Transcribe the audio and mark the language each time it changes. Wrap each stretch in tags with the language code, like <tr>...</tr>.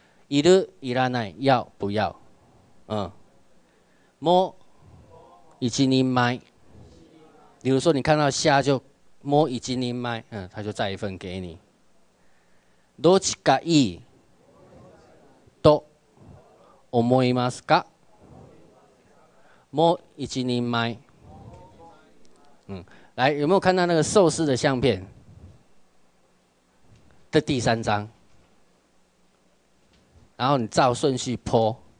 <ja>いるいらない，</ja> <zh>要不要？</zh> <ja>もう一人前，</ja> <zh>比如说你看到虾就もう一人前，他就再一份给你。</zh> <ja>どっちがいいと思いますか？もう一人前。</ja> <zh>来，有没有看到那个寿司的相片？的第三张，然后你照顺序泼。</zh>